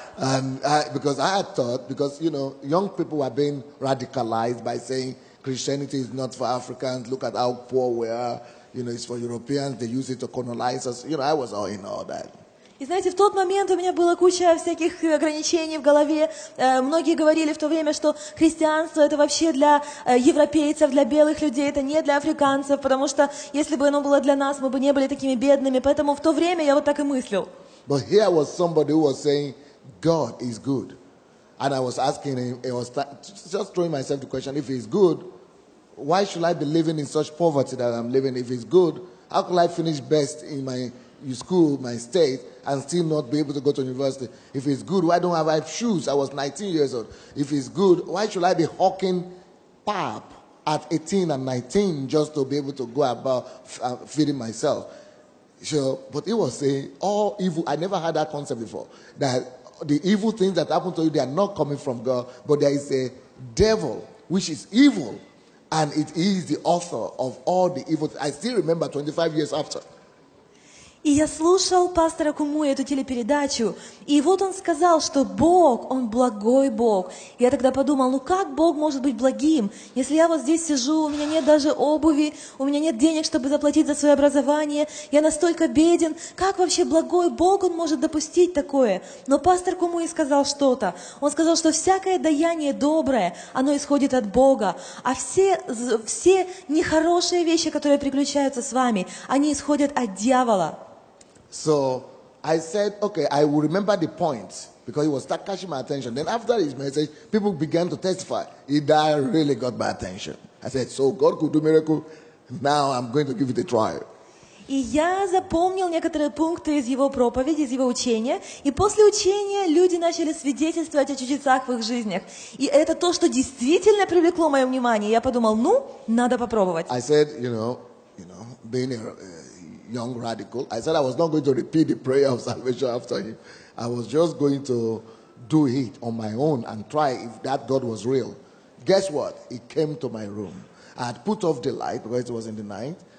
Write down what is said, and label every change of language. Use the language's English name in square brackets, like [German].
[English] And because I had thought, because, you know, young people were being radicalized by saying, Christianity is not for Africans. Look at how poor we are. You know, it's for Europeans. They use it to colonize us. You know, I was all in all that. [Russian] И знаете, в тот момент у меня была куча всяких ограничений в голове. Многие говорили в то время, что христианство это вообще для европейцев, для белых людей, это не для африканцев, потому что если бы оно было для нас, мы бы не были такими бедными. Поэтому в то время я вот так и мыслил. [English] But here was somebody who was saying, God is good. And I was asking him, I was just throwing myself the question, if he's good, why should I be living in such poverty that I'm living? If he's good, how could I finish best in my school, my state, and still not be able to go to university? If he's good, why don't I have shoes? I was 19 years old. If he's good, why should I be hawking pap at 18 and 19 just to be able to go about feeding myself. So, but he was saying, all evil, I never had that concept before, that the evil things that happen to you, they are not coming from God, but there is a devil, which is evil, and it is the author of all the evil. I still remember 25 years after. [Russian] И я слушал пастора Кумуи эту телепередачу, и вот он сказал, что Бог, Он благой Бог. Я тогда подумал, ну как Бог может быть благим, если я вот здесь сижу, у меня нет даже обуви, у меня нет денег, чтобы заплатить за свое образование, я настолько беден, как вообще благой Бог, Он может допустить такое? Но пастор Кумуи сказал что-то. Он сказал, что всякое даяние доброе, оно исходит от Бога, а все нехорошие вещи, которые приключаются с вами, они исходят от дьявола. [English] So I said, okay, I will remember the point because it was start catching my attention. Then after his message, people began to testify. He died, really got my attention. I said, so God could do miracle. Now I'm going to give it a try. [Russian] И я запомнил некоторые пункты из его проповеди, из его учения. И после учения люди начали свидетельствовать о чудесах в их жизнях. И это то, что действительно привлекло мое внимание. Я подумал, ну, надо попробовать. [English] I said, you know, being a young radical, I said I was not going to repeat the prayer of salvation after him. I was just going to do it on my own and try if that God was real. Guess what? He came to my room. I had put off the light because it was in the night.